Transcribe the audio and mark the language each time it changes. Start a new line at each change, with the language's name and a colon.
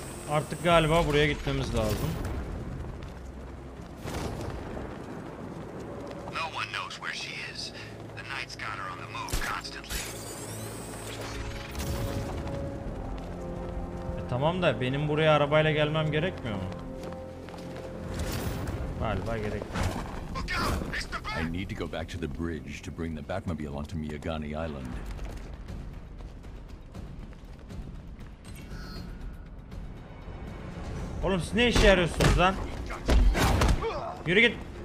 Turkish: Artık galiba buraya gitmemiz lazım.
English: No one knows where she is. The knight's got her on the move constantly.
Turkish: Tamam da benim buraya arabayla gelmem gerekmiyor mu? Galiba gerekmiyor.
English: I need to go back to the bridge to bring the Batmobile onto Miyagani Island.
Turkish: Oğlum siz ne işe yarıyorsunuz lan? Yürü git.